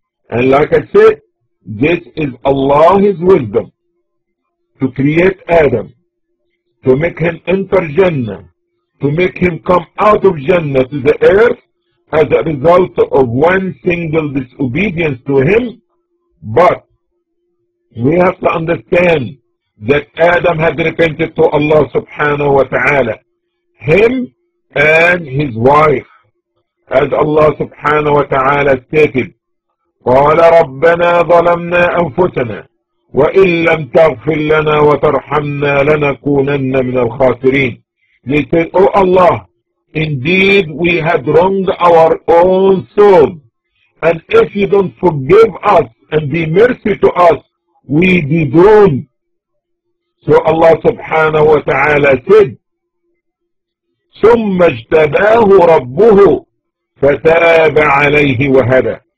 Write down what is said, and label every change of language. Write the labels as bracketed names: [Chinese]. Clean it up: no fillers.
[English] And like I said, this is Allah's wisdom to create Adam, to make him enter Jannah, to make him come out of Jannah to the earth as a result of one single disobedience to him. But we have to understand that Adam had repented to Allah subhanahu wa ta'ala. Him and his wife, as Allah subhanahu wa ta'ala stated, [Arabic] قَالَ رَبَّنَا ظَلَمْنَا أَنفُسَنَا وَإِنْ لَمْ تَغْفِرْ لَنَا وَتَرْحَمْنَا لَنَكُونَنَّ مِنَ الْخَاسِرِينَ. [English] They said, O Allah, indeed we had wronged our own soul, and if you don't forgive us and be mercy to us, we be doomed. So Allah subhanahu wa ta'ala said, [Arabic] ثُمَّ اجْتَبَاهُ رَبُّهُ فَتَابَ عَلَيْهِ وَهَدَى.